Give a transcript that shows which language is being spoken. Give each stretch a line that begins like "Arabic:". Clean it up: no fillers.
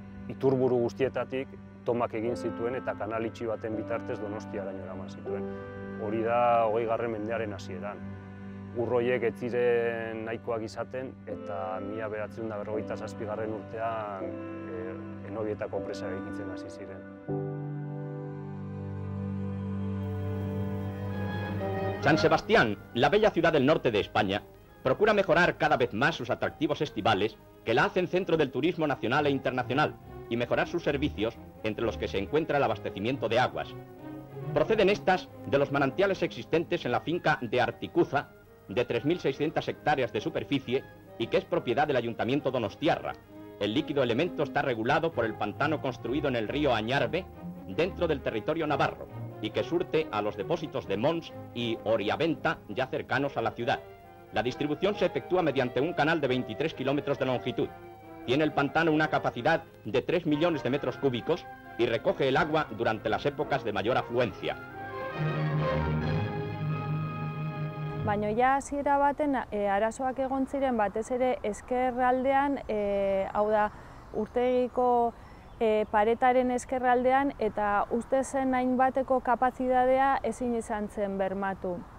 Basque: Iturburu guztietatik tomak egin zituen eta kanal itxi baten bitartez Donostiaraino eraman zituen. Hori da 20. mendearen hasieran. Urroiek ez ziren nahikoak izaten eta 1957. urtean Enobietako presa egiten hasi ziren.
Spanish: San Sebastián, la bella ciudad del norte de España, procura mejorar cada vez más sus atractivos estivales que la hacen centro del turismo nacional e internacional y mejorar sus servicios, entre los que se encuentra el abastecimiento de aguas. Proceden estas de los manantiales existentes en la finca de Articuza, de 3.600 hectáreas de superficie y que es propiedad del Ayuntamiento Donostiarra. El líquido elemento está regulado por el pantano construido en el río Añarbe, dentro del territorio navarro, y que surte a los depósitos de Mons y Oriaventa, ya cercanos a la ciudad. La distribución se efectúa mediante un canal de 23 kilómetros de longitud. Tiene el pantano una capacidad de 3 millones de metros cúbicos y recoge el agua durante las épocas de mayor afluencia.
Basque: Baina ja hasiera baten arazoak egon ziren batez ere eskerraldean, hau da urtegiko paretaren eskerraldean eta uste zen hainbateko kapazitatea ezin izan zen bermatu.